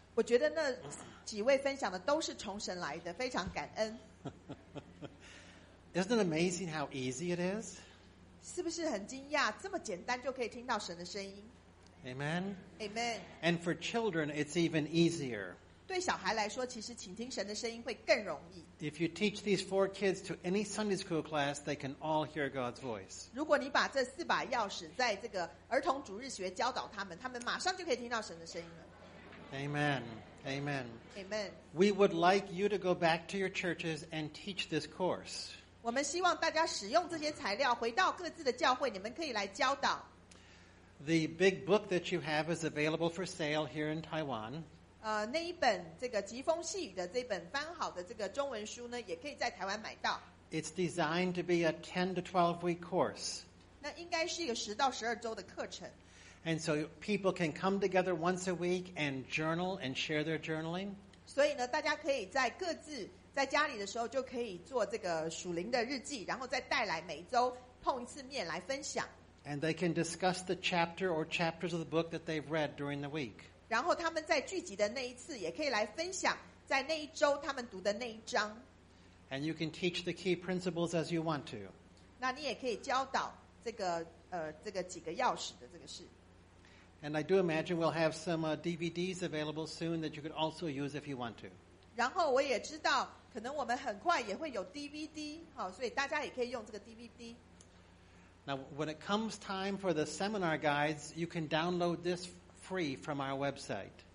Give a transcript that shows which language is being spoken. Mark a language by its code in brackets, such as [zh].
[zh] 我觉得那几位分享的都是从神来的，非常感恩。 [en] Isn't it amazing how easy it is? [zh] 是不是很惊讶，这么简单就可以听到神的声音？ [en] Amen. Amen. And for children, it's even easier. [zh] 对小孩来说，其实倾听神的声音会更容易。 [en] If you teach these four kids to any Sunday school class, they can all hear God's voice. [zh] 如果你把这四把钥匙在这个儿童主日学教导他们，他们马上就可以听到神的声音了。 [en] Amen. Amen. Amen. We would like you to go back to your churches and teach this course. [zh] 我们希望大家使用这些材料回到各自的教会，你们可以来教导。 [en] The big book that you have is available for sale here in Taiwan. [zh] 那一本这个疾风细雨的这本翻好的这个中文书呢，也可以在台湾买到。 [en] It's designed to be a 10 to 12 week course. [zh] 那应该是一个10到12周的课程。 [en] And so people can come together once a week and journal and share their journaling. [zh] 所以呢，大家可以在各自在家里的时候就可以做这个属灵的日记，然后再带来每周碰一次面来分享。 [en] And they can discuss the chapter or chapters of the book that they've read during the week. [zh] 然后他们在聚集的那一次也可以来分享在那一周他们读的那一章。 [en] And you can teach the key principles as you want to. [zh] 那你也可以教导这个这个几个钥匙的这个事。 [en] And I do imagine we'll have some DVDs available soon that you could also use if you want to. [zh] 然后我也知道可能我们很快也会有 DVD, 好，所以大家也可以用这个 DVD。 [en] Now when it comes time for the seminar guides, you can download this free from our website.